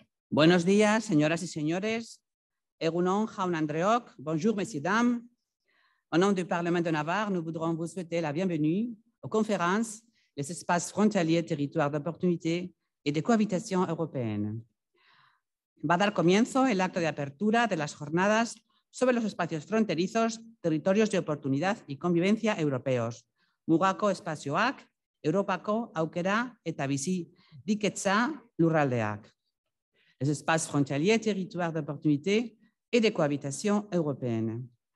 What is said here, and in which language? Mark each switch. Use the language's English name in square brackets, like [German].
[Spanish] Buenos días, señoras y señores. [Basque] Egunon, Jaun Andreok. [French] Bonjour, messieurs, dames. Au nom du Parlement de Navarre, nous voudrons vous souhaiter la bienvenue aux conférences Les espaces frontaliers, territoires d'opportunité et de cohabitation européenne. [Spanish] Va dar comienzo el acto de apertura de las jornadas sobre los espacios fronterizos, territorios de oportunidad y convivencia europeos. [Basque] Mugako espazioak, Europako aukera eta bizi diketza lurraldeak. [French] Les espaces frontaliers, territoires d'opportunité et de cohabitation européenne.